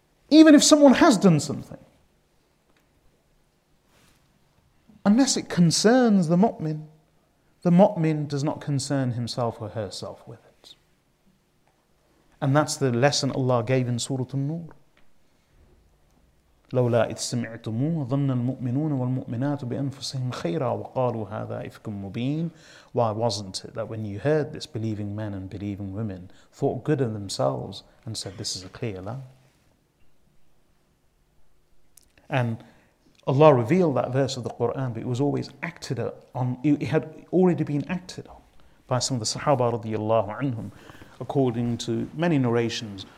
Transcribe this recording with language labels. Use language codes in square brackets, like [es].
[en] Even if someone has done something, unless it concerns the mu'min does not concern himself or herself with it. And that's the lesson Allah gave in Surah An-Nur. [ar] لولا إذ سمعتموه ظن المؤمنون والمؤمنات بأنفسهم خيرا وقالوا هذا إفك مبين. [en] Why wasn't it that when you heard this, believing men and believing women thought good of themselves and said, this is a clear lie? And Allah revealed that verse of the Quran, but it was always acted on, it had already been acted on by some of the Sahaba radiallahu anhum, according to many narrations.